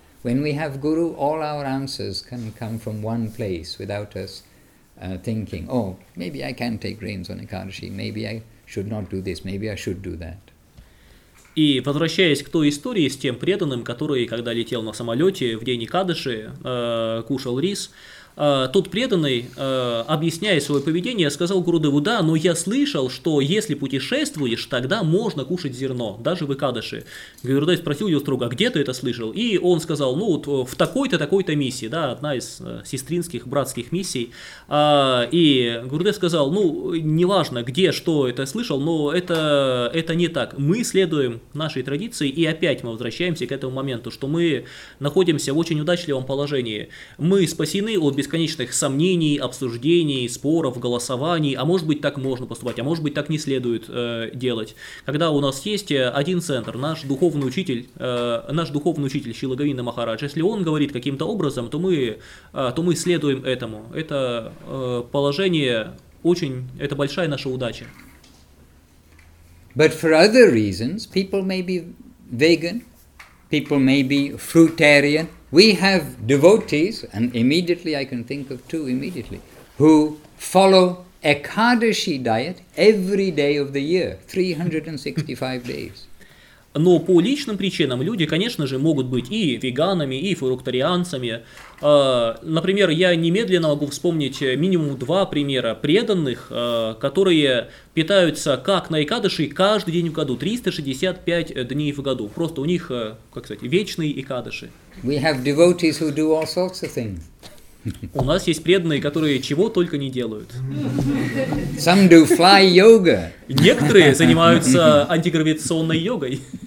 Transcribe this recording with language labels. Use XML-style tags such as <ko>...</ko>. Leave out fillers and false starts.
<en>When we have Guru, all our answers can come from one place without us thinking, oh, maybe I can take grains on Ekadashi, maybe I should not do this, maybe I should do that.</en> <ru>И возвращаясь к той истории с тем преданным, который, когда летел на самолете в день Экадаши, кушал рис, тот преданный, объясняя свое поведение, сказал Гурудеву: «Да, но я слышал, что если путешествуешь, тогда можно кушать зерно, даже в Экадаши». Гурудев спросил его строго: «Где ты это слышал?» И он сказал: «Ну, вот в такой-то миссии, да, одна из сестринских, братских миссий». И Гурудев сказал: «Ну, неважно, где, что это слышал, но это не так. Мы следуем нашей традиции, и опять мы возвращаемся к этому моменту, что мы находимся в очень удачливом положении. Мы спасены от бесконечных сомнений, обсуждений, споров, голосований, а может быть так можно поступать, а может быть так не следует делать. Когда у нас есть один центр, наш духовный учитель Шрила Говинда Махарадж, если он говорит каким-то образом, то мы следуем этому. Это положение очень, это большая наша удача.</ru> <en>But for other reasons, people may be vegan, people may be fruitarian. We have devotees, and immediately I can think of two immediately, who follow Ekadashi diet every day of the year, 365 days.</en> <ru>Но по личным причинам люди, конечно же, могут быть и веганами, и фрукторианцами. Например, я немедленно могу вспомнить минимум два примера преданных, которые питаются как на Экадаши каждый день в году, 365 дней в году. Просто у них, как сказать, вечные Экадаши.</ru> <en>We have devotees who do all sorts of things.</en> <ru>У нас есть преданные, которые чего только не делают.</ru> <en>Some do fly yoga.</en> <ru>Некоторые занимаются антигравитационной йогой.</ru>